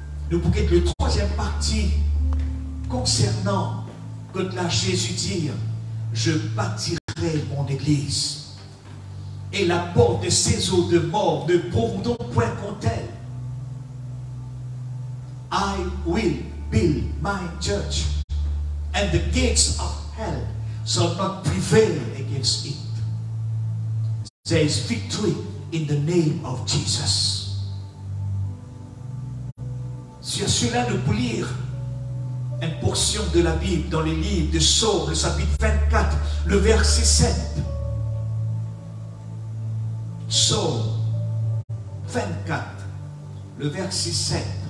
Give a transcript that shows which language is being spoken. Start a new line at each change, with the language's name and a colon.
French: Nous pouvons être la troisième partie concernant que là Jésus dit, je bâtirai mon église et la porte de ses eaux de mort ne pourront point contre elle.
English: I will build my church and the gates of hell shall not prevail against it. There is victory in the name of Jesus.
French: Sur cela, nous pouvons lire une portion de la Bible dans les livres de Psaumes, le chapitre 24, le verset 7. Psaumes 24, le verset 7.